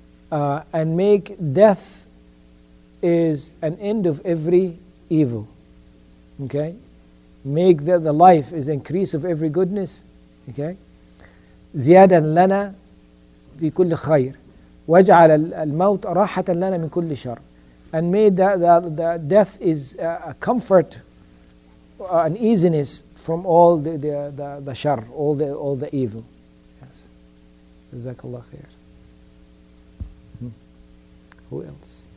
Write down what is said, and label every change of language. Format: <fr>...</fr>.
<en>And make death is an end of every evil, okay? Make the life is increase of every goodness, okay?</en> <ar>Ziyadan lana bi kulli khayr. واجعل الموت راحة لنا من كل شر.</ar> <en>And may the death is a comfort, an easiness from all the shar, all the evil. Yes. Jazakallah khair. Who else?</en>